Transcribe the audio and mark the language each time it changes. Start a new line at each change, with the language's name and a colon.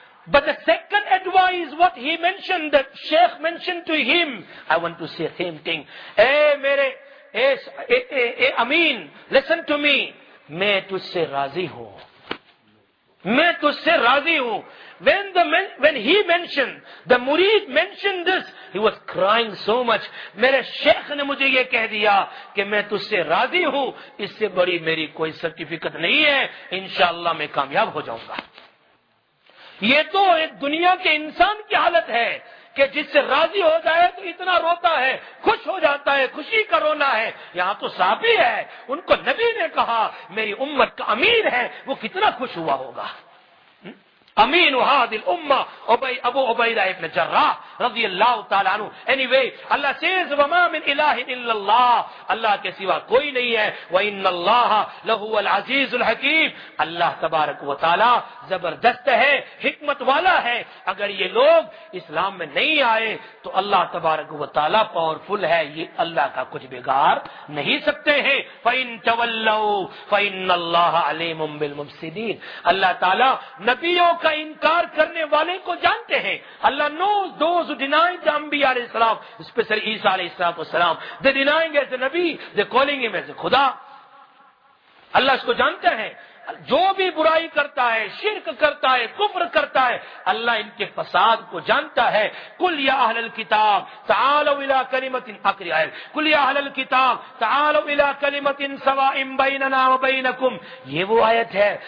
English: But the second advice, what he mentioned, that Sheikh mentioned to him, I want to say the same thing. Hey, Ameen, listen to me.
Urdu: May tujhse razi ho. میں تجھ سے راضی ہوں.
English: When the murid mentioned this, he was crying so much.
Urdu: میرے شیخ نے مجھے یہ کہہ دیا کہ میں تجھ سے راضی ہوں, اس سے بڑی میری کوئی سرٹیفکیٹ نہیں ہے, انشاءاللہ میں کامیاب ہو جاؤں گا. یہ تو ایک دنیا کے انسان کی حالت ہے کہ جس سے راضی ہو جائے تو اتنا روتا ہے, خوش ہو جاتا ہے, خوشی کا رونا ہے. یہاں تو صحابی ہے, ان کو نبی نے کہا میری امت کا امیر ہے, وہ کتنا خوش ہوا ہوگا.
Arabic: امین ہذہ الامۃ ابو عبیدہ ابن جراح رضی اللہ تعالیٰ عنہ.
Urdu: anyway, اللہ says
Arabic: وما من الہ الا اللہ,
Urdu: اللہ کے سوا کوئی نہیں ہے.
Arabic: وان اللہ لہو العزیز الحکیم,
Urdu: اللہ تبارک و تعالی زبردست ہے, حکمت والا ہے. اگر یہ لوگ اسلام میں نہیں آئے تو اللہ تبارک و تعالی پاور فل ہے, یہ اللہ کا کچھ بگاڑ نہیں سکتے ہیں.
Arabic: فان تولوا فان اللہ علیم بالمفسدین,
Urdu: اللہ تعالی نبیوں کا انکار کرنے والے کو جانتے ہیں.
English: اللہ knows those who deny the انبیاء علیہ السلام, especially عیسیٰ علیہ السلام. They denying as a نبی, they calling him as a خدا.
Urdu: اللہ اس کو جانتے ہیں. جو بھی برائی کرتا ہے, شرک کرتا ہے, کفر کرتا ہے, اللہ ان کے فساد کو جانتا ہے.
Arabic: قل یا اہل الکتاب تعالوا الى کلمۃ اقرئ, قل یا اہل الکتاب تعالوا الى کلمۃ سواء بیننا وبینکم,
Urdu: یہ وہ آیت ہے.